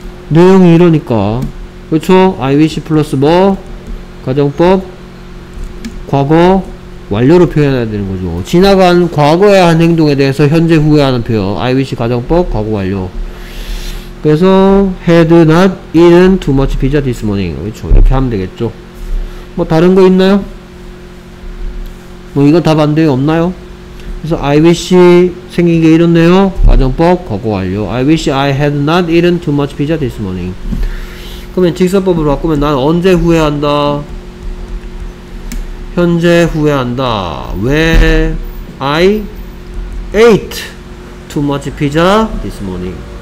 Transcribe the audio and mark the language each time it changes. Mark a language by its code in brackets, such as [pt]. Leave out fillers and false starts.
[ko] 내용이 이러니까. 그쵸? I wish 플러스 뭐? 가정법 과거 완료로 표현해야 되는 거죠. 지나간 과거의 한 행동에 대해서 현재 후회하는 표현. I wish 가정법 과거 완료. 그래서 [en] had not eaten too much pizza this morning. [ko] 그렇죠. 이렇게 하면 되겠죠. 뭐 다른 거 있나요? 뭐 이거 답 안 돼요? 없나요? 그래서 I wish 생긴 게 이렇네요. 가정법 과거 완료. [en] I wish I had not eaten too much pizza this morning. [ko] 그러면 직설법으로 바꾸면 난 언제 후회한다? 현재 후회한다. 왜 [en] I ate too much pizza this morning.